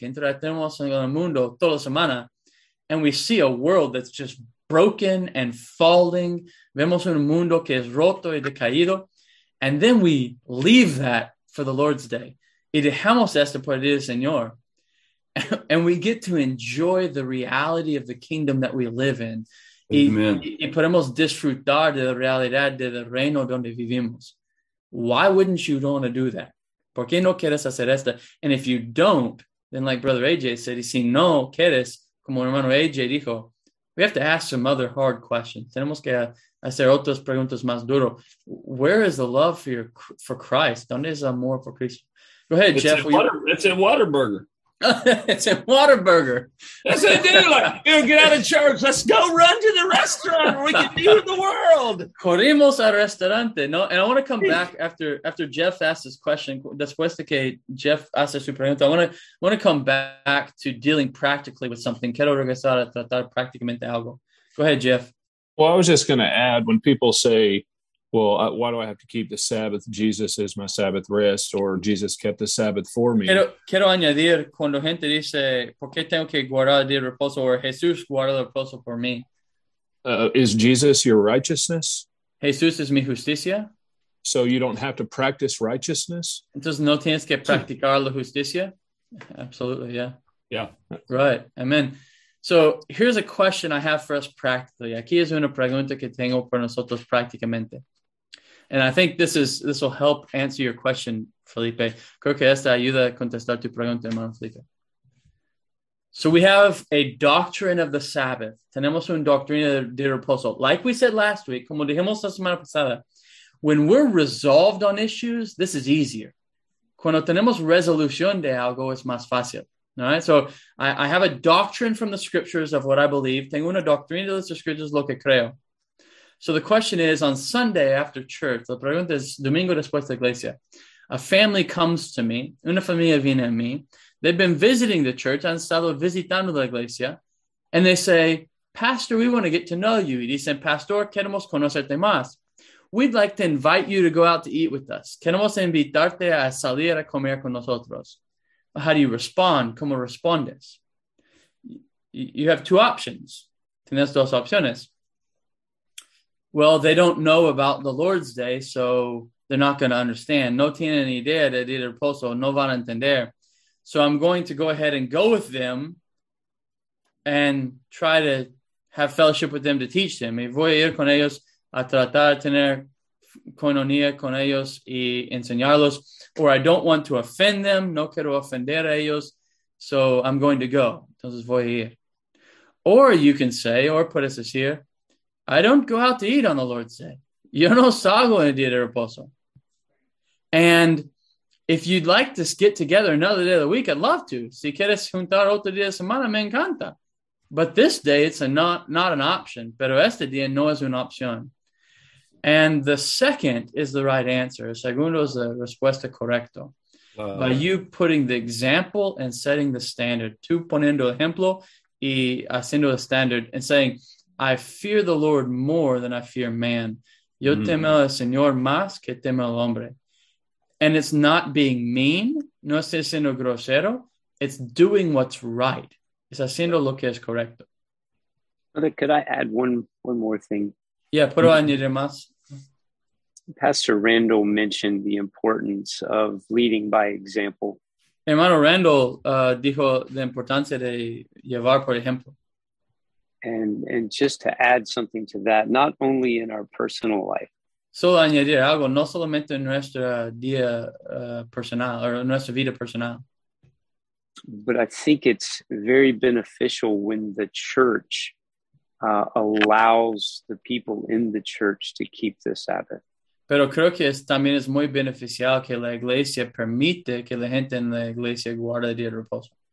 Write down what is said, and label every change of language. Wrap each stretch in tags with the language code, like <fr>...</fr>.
<es>Interactamos en el mundo toda la semana.</es> <en>And we see a world that's just broken and falling.</en> <es>Vemos un mundo que es roto y decaído.</es> <en>And then we leave that for the Lord's Day.</en> <es>Y dejamos esto por el día del Señor.</es> <en>And we get to enjoy the reality of the kingdom that we live in. Amen.</en> <es>Y podemos disfrutar de la realidad del reino donde vivimos.</es> <en>Why wouldn't you want to do that?</en> <es>¿Por qué no quieres hacer esto?</es> <en>And if you don't, then like Brother AJ said,</en> <es>y si no quieres, como hermano AJ dijo,</es> <en>we have to ask some other hard questions.</en> <es>Tenemos que hacer otras preguntas más duras.</es> <en>Where is the love for Christ?</en> <es>¿Dónde es el amor por Cristo?</es> <en>Go ahead, it's Jeff. It's in Whataburger. It's in Whataburger. That's a dealer. You get out of charge. Let's go run to the restaurant where we can view the world.</en> <es>Corrimos al restaurante.</es> <en>No, and I want to come back after Jeff asks his question.</en> <es>Después de que Jeff hace su pregunta,</es> <en>I want to come back to dealing practically with something. Quiero regresar a tratar prácticamente algo. Go ahead, Jeff. Well, I was just going to add, when people say, well, why do I have to keep the Sabbath? Jesus is my Sabbath rest, or Jesus kept the Sabbath for me.</en> <es>Quiero añadir, cuando gente dice, ¿por qué tengo que guardar el día de reposo? Or Jesús guarda el reposo por mí.</es> <en>Is Jesus your righteousness?</en> <es>Jesús es mi justicia.</es> <en>So you don't have to practice righteousness?</en> <es>Entonces no tienes que practicar la justicia?</es> <en>Absolutely, yeah. Yeah. Right. Amen. So here's a question I have for us practically.</en> <es>Aquí es una pregunta que tengo para nosotros prácticamente.</es> <en>And I think this will help answer your question, Felipe.</en> <es>Creo que esta ayuda a contestar tu pregunta, hermano Felipe.</es> <en>So we have a doctrine of the Sabbath.</en> <es>Tenemos una doctrina de reposo.</es> <en>Like we said last week,</en> <es>como dijimos la semana pasada,</es> <en>when we're resolved on issues, this is easier.</en> <es>Cuando tenemos resolución de algo, es más fácil.</es> <en>All right, so I have a doctrine from the scriptures of what I believe.</en> <es>Tengo una doctrina de las escrituras lo que creo.</es> <en>So the question is, on Sunday after church,</en> <es>la pregunta es, domingo después de iglesia,</es> <en>a family comes to me,</en> <es>una familia viene a mí,</es> <en>they've been visiting the church,</en> <es>han estado visitando la iglesia,</es> <en>and they say, Pastor, we want to get to know you.</en> <es>Y dicen, Pastor, queremos conocerte más.</es> <en>We'd like to invite you to go out to eat with us.</en> <es>Queremos invitarte a salir a comer con nosotros.</es> <en>How do you respond?</en> <es>¿Cómo respondes?</es> <en>You have two options.</en> <es>Tienes dos opciones.</es> <en>Well, they don't know about the Lord's Day, so they're not going to understand.</en> <es>No tienen ni idea de día de reposo. No van a entender.</es> <en>So I'm going to go ahead and go with them and try to have fellowship with them to teach them.</en> <es>Y voy a ir con ellos a tratar de tener coinonía con ellos y enseñarlos.</es> <en>Or I don't want to offend them.</en> <es>No quiero ofender a ellos.</es> <en>So I'm going to go.</en> <es>Entonces voy a ir.</es> <en>Or you can say, or put us here, I don't go out to eat on the Lord's Day.</en> <es>Yo no salgo en el día de reposo.</es> <en>And if you'd like to get together another day of the week, I'd love to.</en> <es>Si quieres juntar otro día de semana, me encanta.</es> <en>But this day, it's not an option.</en> <es>Pero este día no es una opción.</es> <en>And the second is the right answer.</en> <es>El segundo es la respuesta correcta.</es> <en>By you putting the example and setting the standard.</en> <es>Tú poniendo ejemplo y haciendo el standard</es> <en>and saying, I fear the Lord more than I fear man.</en> <es>Yo temo al Señor más que temo al hombre.</es> <en>And it's not being mean.</en> <es>No estoy siendo grosero.</es> <en>It's doing what's right.</en> <es>Es haciendo lo que es correcto.</es> <en>Brother, could I add one more thing?</en> <es>Yeah, puedo añadir más.</es> <en>Pastor Randall mentioned the importance of leading by example.</en> <es>Hermano Randall dijo la importancia de llevar por ejemplo.</es> <en>And just to add something to that, not only in our personal life.</en> <es>Solo añadir algo, no solamente en nuestra día personal o nuestra vida personal.</es> <en>But I think it's very beneficial when the church allows the people in the church to keep the Sabbath.</en> <es>Pero creo que también es muy beneficial que la iglesia permite que la gente en la iglesia guarde el día de reposo.</es>